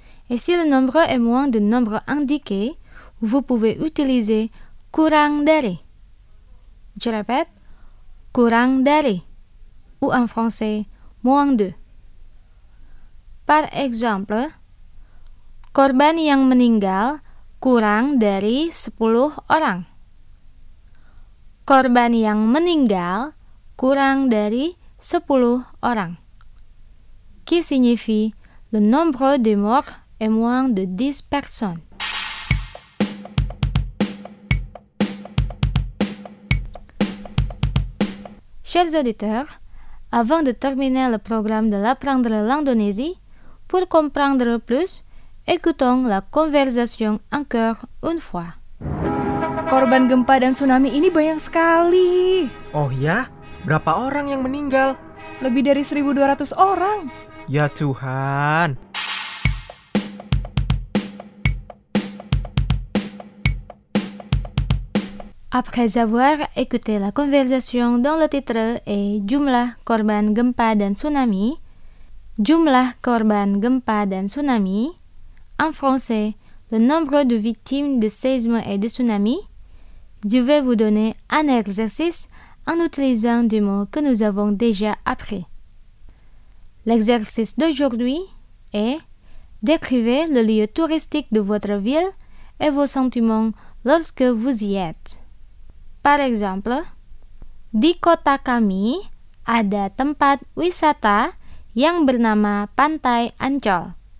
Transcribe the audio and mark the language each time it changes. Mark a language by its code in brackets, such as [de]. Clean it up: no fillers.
[fr] Et si le nombre est moins du nombre indiqué, vous pouvez utiliser [id] kurang dari. [fr] Je répète, [id] kurang dari, [fr] ou en français, moins de. Par exemple, [id] korban yang meninggal kurang dari 10 orang. Korban yang meninggal kurang dari 10 orang. [fr] Qui signifie le nombre de morts est moins de 10 personnes. Chers auditeurs, avant de terminer le programme de l'apprendre l'indonésie, pour comprendre plus, écoutons la conversation encore une fois. [id] Korban gempa dan tsunami ini banyak sekali. Oh ya? Berapa orang yang meninggal? Lebih dari 1200 orang. Ya Tuhan. [fr] Après avoir écouté la conversation dont le titre est [id] Jumlah Korban Gempa dan Tsunami, Jumlah Korban Gempa dan Tsunami, [fr] en français, le nombre de victimes de séisme et de tsunami, je vais vous donner un exercice en utilisant des mots que nous avons déjà appris. L'exercice d'aujourd'hui est décrivez le lieu touristique de votre ville et vos sentiments lorsque vous y êtes. Par exemple, [id] di kota kami ada tempat wisata yang bernama Pantai Ancol.